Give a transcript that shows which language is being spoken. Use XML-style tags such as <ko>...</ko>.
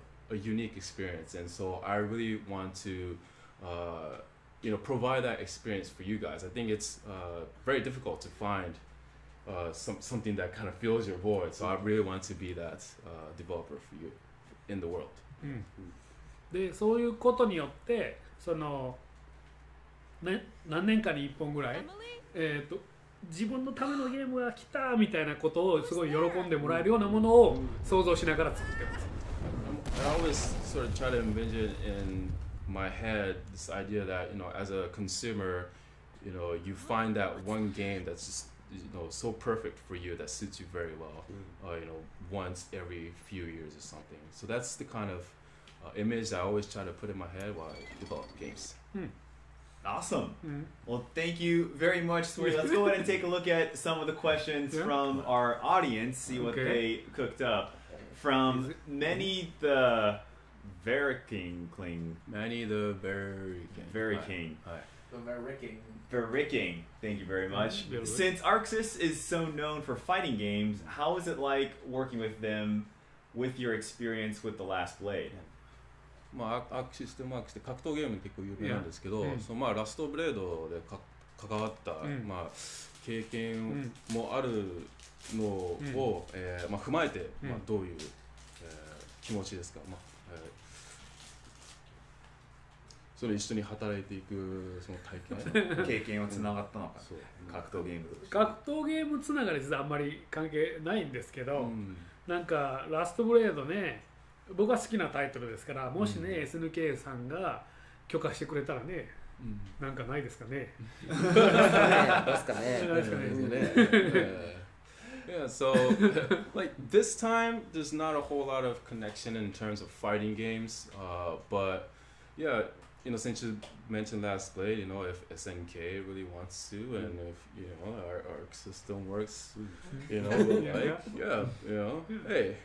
<en>a unique experience, and so I really want to, you know, provide that experience for you guys. I think it's very difficult to find something that kind of fills your void. So I really want to be that developer for you in the world.</en> <ja>で、そういうことによって、その、ね、何年かに一本ぐらい、自分のためのゲームが来たみたいなことをすごい喜んでもらえるようなものを想像しながら作ってます。</ja> <en>I always sort of try to envision in my head this idea that, you know, as a consumer, you know, you find that one game that's just, you know, so perfect for you that suits you very well, you know, once every few years or something. So that's the kind of image that I always try to put in my head while I develop games. Awesome. Well, thank you very much, Swery. Let's go ahead and take a look at some of the questions from our audience, see what they cooked up. From Manny the Verriking Kling. Manny the Verriking. Verriking. The Verriking. Verriking. Thank you very much. Since Arxis is so known for fighting games, how is it like working with them with your experience with The Last Blade?</en> <ja>まあ、アクシステマークスで格闘ゲームって結構有名なんですけど、そのまあ、ラストブレードで関わった、まあ、経験もある。のを、まあ、踏まえて、まあ、どういう、気持ちですか、まあそれ一緒に働いていくその体験経験をつながったのか、うん、格闘ゲームとして格闘ゲームつながり実はあんまり関係ないんですけど、なんかラストブレードね僕は好きなタイトルですからもしね、SNK さんが許可してくれたらねなんかないですかねですかねですかね</ja> <en>Yeah, so like this time, there's not a whole lot of connection in terms of fighting games. But yeah, you know, since you mentioned Last Blade, you know, if SNK really wants to, and if you know our arc system works, you know, like, yeah, you know, yeah.</en>